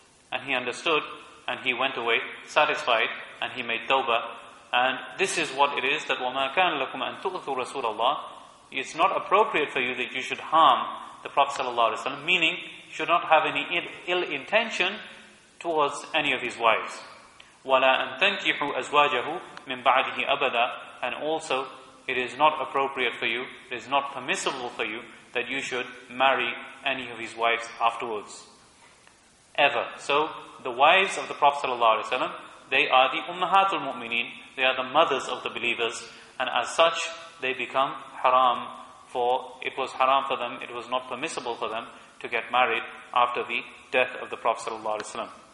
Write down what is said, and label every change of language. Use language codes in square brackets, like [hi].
[en] And he understood, and he went away satisfied, and he made tawbah. And this is what it is, that [ar] وَمَا كَانَ لَكُمْ أَن تُؤْثُوا رَسُولَ اللَّهِ. [en] It's not appropriate for you that you should harm the Prophet sallallahu alaihi wasallam, meaning should not have any ill intention towards any of his wives. [ar] وَلَا أَن تَنْكِحُوا أَزْوَاجَهُ مِن بَعْدِهِ أَبَدًا. [en] And also, it is not appropriate for you, it is not permissible for you, that you should marry any of his wives afterwards. Ever. So, the wives of the Prophet sallallahu alaihi wasallam, they are the ummahatul mu'mineen, they are the mothers of the believers, and as such, they become haram, for it was haram for them, it was not permissible for them to get married after the death of the Prophet sallallahu alaihi wasallam.